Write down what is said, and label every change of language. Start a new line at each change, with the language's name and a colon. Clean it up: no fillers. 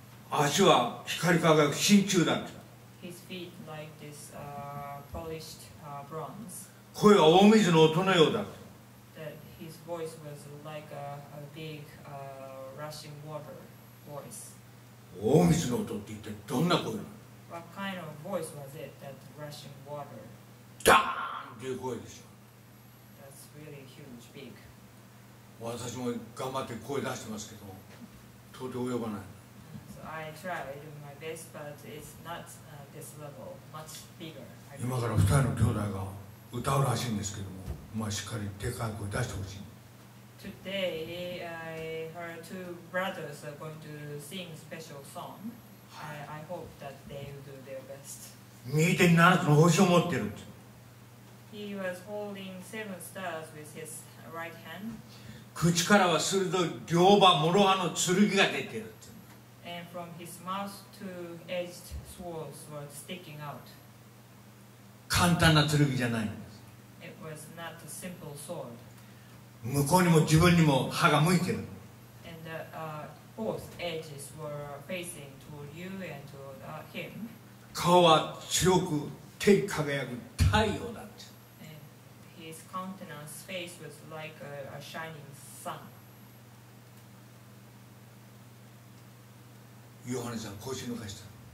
Japanese: 足は光り輝く真鍮だった。
English: His feet like this, polished, bronze.
Japanese: 声は大水の音のようだった。
English: That his voice was like a big, rushing water voice.
Japanese: 大水の音って一体どんな声なの？
English: What kind of voice was it, that rushing water?
Japanese: ダーンっていう声でしょ。
English: That's really huge, big.
Japanese: 私も頑張って声出してますけど。到底及ばない。
English: So I tried my best, but it's not this level, much bigger.
Japanese: 今から2人の兄弟が歌うらしいんですけども、まあしっかりでかい声出してほしい。
English: Today I heard two brothers are going to sing special song. I hope that they will do their best.
Japanese: 右手に7つの星を持ってる。
English: He was holding seven stars with his right hand.
Japanese: 口からは鋭い両刃、諸刃の剣が出てるって。
English: And from his mouth two edged swords were sticking out.
Japanese: 簡単な剣じゃないんです。
English: It was not a simple sword.
Japanese: 向こうにも自分にも刃が向いてる。
English: And the, both edges were facing toward you and toward, him.
Japanese: 顔は強く、照り輝く太陽だって。
English: His countenance face was like a shining sun.
Japanese: ヨハネさん腰抜かした。